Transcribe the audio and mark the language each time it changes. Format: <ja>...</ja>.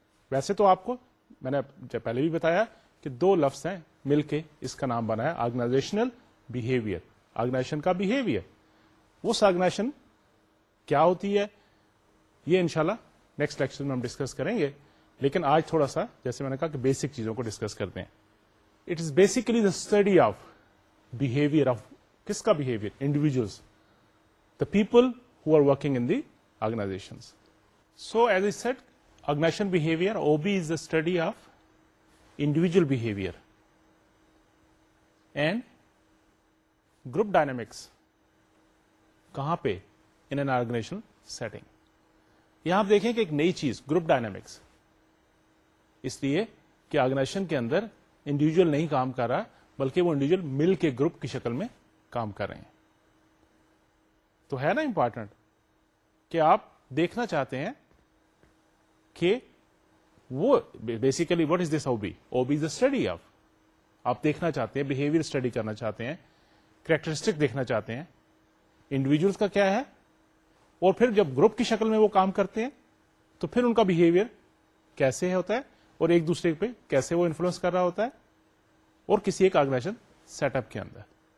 <ur>ویسے تو آپ کو میں نے پہلے بھی بتایا کہ دو لفظ ہیں مل کے اس کا نام بنا ہے، آرگنائزیشنل بیہیویئر، آرگنائزیشن کا بیہیویئر. اس آرگنائزیشن کیا ہوتی ہے یہ انشاءاللہ نیکسٹ لیکچر میں ہم ڈسکس کریں گے، لیکن آج تھوڑا سا جیسے میں نے کہا کہ بیسک چیزوں کو ڈسکس کرتے ہیں.</ur> <en>it is basically the study of behaviour,</en> <ur>of کس کا behaviour?</ur> <en>Individuals, the people who are working in the organizations. So as I said, organization behavior, OB, is the study of individual behavior and group dynamics.</en> <ur>کہاں پہ؟</ur> <en>In an organizational setting.</en> <ur>یہاں آپ دیکھیں کہ ایک نئی چیز، group dynamics. اس لیے کہ organization کے اندر individual نہیں کام کر رہا بلکہ وہ individual مل کے group کی شکل میں کام کر رہے ہیں. تو ہے نا important کہ آپ دیکھنا چاہتے ہیں کہ وہ basically</ur> <en>What is this O B? O B is the study of,</en> <ur>آپ دیکھنا چاہتے ہیں، بہیویئر اسٹڈی کرنا چاہتے ہیں، کریکٹرسٹک دیکھنا چاہتے ہیں انڈیویجلس کا کیا ہے، اور پھر جب گروپ کی شکل میں وہ کام کرتے ہیں تو پھر ان کا بہیویئر کیسے ہوتا ہے، اور ایک دوسرے پہ کیسے وہ انفلوئنس کر رہا ہوتا ہے، اور کسی ایک آرگنائزیشن سیٹ اپ کے اندر.</ur>